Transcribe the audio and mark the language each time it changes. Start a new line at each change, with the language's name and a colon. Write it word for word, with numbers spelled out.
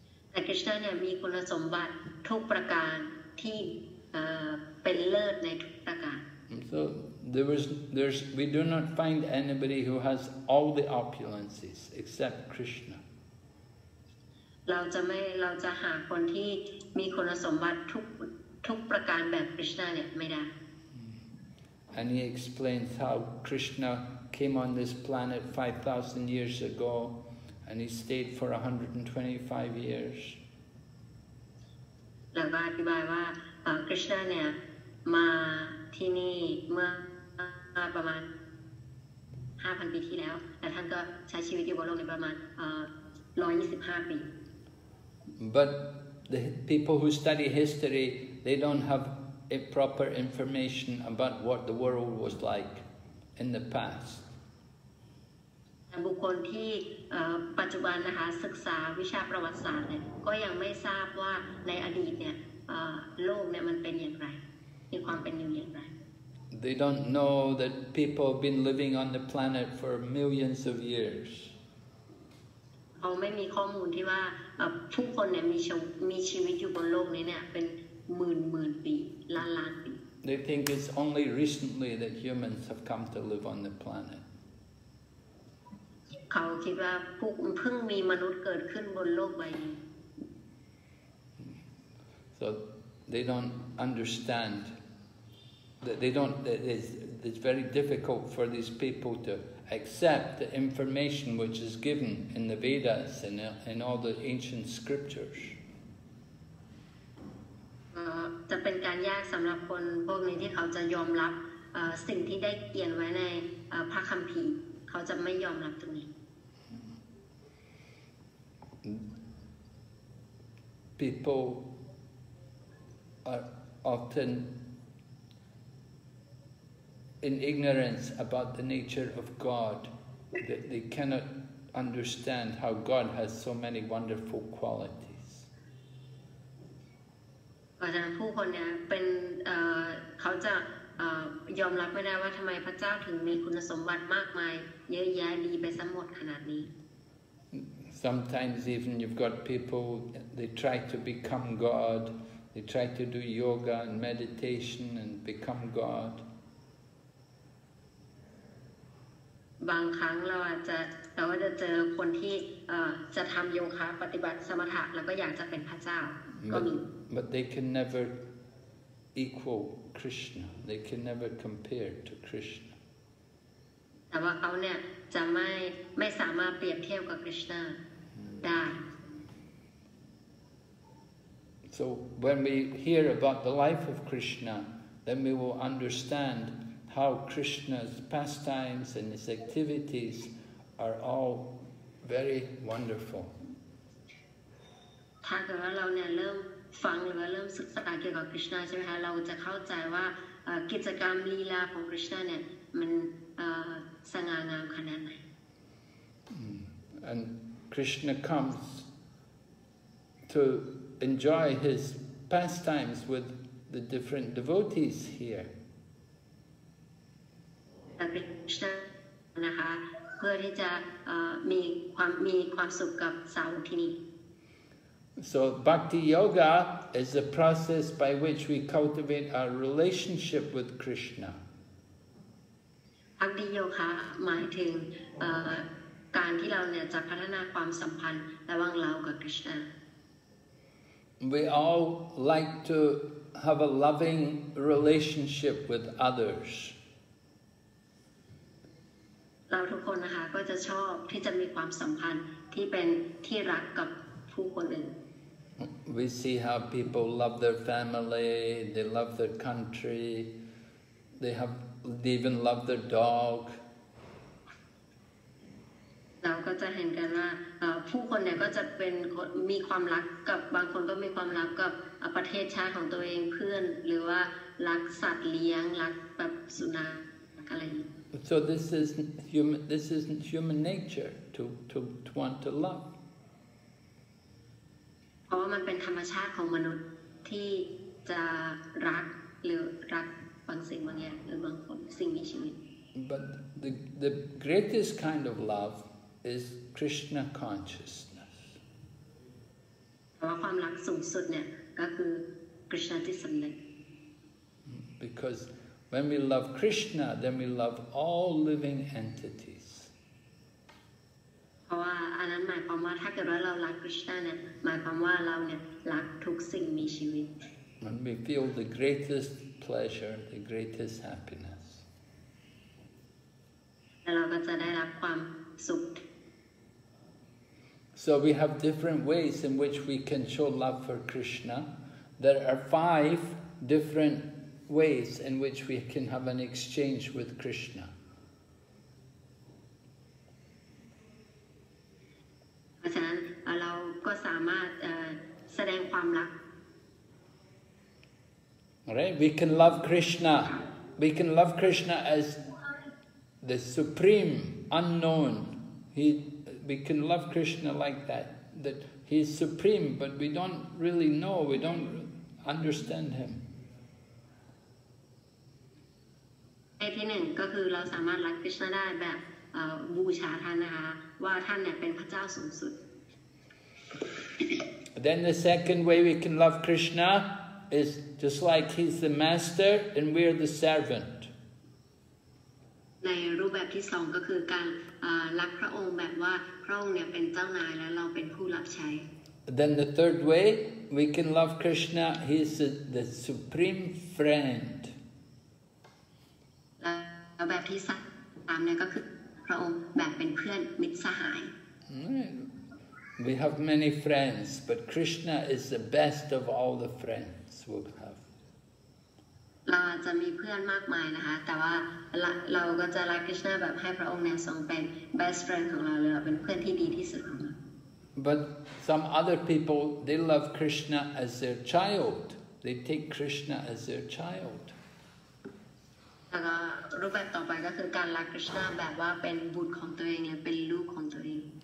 Thai: แต่คริสต์เนี่ยมีคุณสมบัติทุกประการที่เป็นเลิศในทุกประการ
English: So. There was, there's, we do not find anybody who has all the opulences except Krishna.
Thai: เราจะไม่เราจะหาคนที่มีคุณสมบัติทุกทุกประการแบบคริสต์เนี่ยไม่ได้
English: And he explains how Krishna came on this planet five thousand years ago, and he stayed for one hundred twenty-five years.
Thai: แล้วก็อธิบายว่าคริสต์เนี่ยมาที่นี่เมื่อประมาณ ห้าพัน ปีที่แล้วแต่ท่านก็ใช้ชีวิตอยู่บนโลกนี้ประมาณเอ่อ หนึ่งร้อยยี่สิบห้า ปี
English: But the people who study history, they don't have a proper information about what the world was like in the past.
Thai: บุคคลที่ปัจจุบันนะคะศึกษาวิชาประวัติศาสตร์เนี่ยก็ยังไม่ทราบว่าในอดีตเนี่ยโลกเนี่ยมันเป็นอย่างไรมีความเป็นอยู่อย่างไร
English: They don't know that people have been living on the planet for millions of years.
Thai: เขาไม่มีข้อมูลที่ว่าผู้คนเนี่ยมีมีชีวิตอยู่บนโลกนี้เนี่ยเป็นหมื่นหมื่นปีล้านล้านปี
English: They think it's only recently that humans have come to live on the planet.
Thai: เขาคิดว่าเพิ่งมีมนุษย์เกิดขึ้นบนโลกใบนี้
English: So they don't understand that they don't that it's, it's very difficult for these people to accept the information which is given in the Vedas and in all the ancient scriptures.
Thai: จะเป็นการยากสำหรับคนพวกนี้ที่เขาจะยอมรับสิ่งที่ได้เขียนไว้ในพระคัมภีร์เขาจะไม่ยอมรับตรงนี้
English: People are often in ignorance about the nature of God. They, they cannot understand how God has so many wonderful qualities.
Thai: เพราะฉะนั้นผู้คนเนี่ยเป็นเอ่อเขาจะเอ่อยอมรับไม่ได้ว่าทำไมพระเจ้าถึงมีคุณสมบัติมากมายเยอะแยะดีไปซะหมดขนาดนี้
English: Sometimes even you've got people, they try to become God, they try to do yoga and meditation and become God.
Thai: บางครั้งเราอาจจะเราก็จะเจอคนที่เอ่อจะทำโยคะปฏิบัติสมถะแล้วก็อยากจะเป็นพระเจ้าก็มี
English: But they can never equal Krishna. They can never compare to Krishna.
Thai: แต่ว่าเขาเนี่ยจะไม่ไม่สามารถเปรียบเทียบกับคริสต์ได้
English: So when we hear about the life of Krishna, then we will understand how Krishna's pastimes and his activities are all very wonderful.
Thai: ถ้าเกิดว่าเราเนี่ยเริ่มฟังหรือว่าเริ่มศึกษาเกี่ยวกับคริสต์ใช่ไหมคะเราจะเข้าใจว่ากิจกรรมลีลาของคริสต์เนี่ยมันสง่างามขนาดไหน
English: And Krishna comes to enjoy his pastimes with the different devotees here.
Thai: แต่พระคริสต์นะคะเพื่อที่จะมีความมีความสุขกับสาวกที่นี่
English: So Bhakti Yoga is the process by which we cultivate our relationship with Krishna.
Thai: อักดิโยคะหมายถึงการที่เราเนี่ยจะพัฒนาความสัมพันธ์ระหว่างเรากับคริสต์
English: We all like to have a loving relationship with others.
Thai: เราทุกคนนะคะก็จะชอบที่จะมีความสัมพันธ์ที่เป็นที่รักกับผู้คนอื่น
English: We see how people love their family, they love their country, they have. They even love their dog.
Thai: เราก็จะเห็นกันว่าผู้คนเนี่ยก็จะเป็นมีความรักกับบางคนก็มีความรักกับประเทศชาติของตัวเองเพื่อนหรือว่ารักสัตว์เลี้ยงรักแบบสุนัขอะไร
English: So this is human. This is human nature to to to want to love.
Thai: เพราะว่ามันเป็นธรรมชาติของมนุษย์ที่จะรักหรือรัก
English: But the the greatest kind of love is Krishna consciousness.
Thai: ว่าความรักสูงสุดเนี่ยก็คือคริสต์ที่สำนึก
English: Because when we love Krishna, then we love all living entities.
Thai: เพราะว่าอันนั้นหมายความว่าถ้าเกิดว่าเรารักคริสต์เนี่ยหมายความว่าเราเนี่ยรักทุกสิ่งมีชีวิต
English: When we feel the greatest pleasure, the greatest happiness.
Thai: เราก็จะได้รับความสุข
English: So we have different ways in which we can show love for Krishna. There are five different ways in which we can have an exchange with Krishna.
Thai: เพราะฉะนั้นเราก็สามารถแสดงความ ความรัก
English: Right? We can love Krishna. We can love Krishna as the supreme unknown. He, we can love Krishna like that. That he is supreme, but we don't really know. We don't understand him.
Thai: ในที่หนึ่งก็คือเราสามารถรักคริสต์ได้แบบบูชาท่านนะคะว่าท่านเนี่ยเป็นพระเจ้าสูงสุด
English: Then the second way we can love Krishna is just like he's the master and we're the servant.
Thai: ในรูปแบบที่สองก็คือการรักพระองค์แบบว่าพระองค์เนี่ยเป็นเจ้านายและเราเป็นผู้รับใช้
English: Then the third way we can love Krishna, he's the, the supreme friend.
Thai: แบบที่สามเนี่ยก็คือพระองค์แบบเป็นเพื่อนมิตรสหาย
English: We have many friends, but Krishna is the best of all the friends we have.
Thai: เราจะมีเพื่อนมากมายนะคะแต่ว่าเราก็จะรักคริสต์แบบให้พระองค์เนี่ยทรงเป็น
English: best friend
Thai: ของเราเลยเป็นเพื่อนที่ดีที่สุดของเรา
English: But some other people they love Krishna as their child. They take Krishna as their child.
Thai: แล้วก็รูปแบบต่อไปก็คือการรักคริสต์แบบว่าเป็นบุตรของตัวเองและเป็นลูกของตัวเอง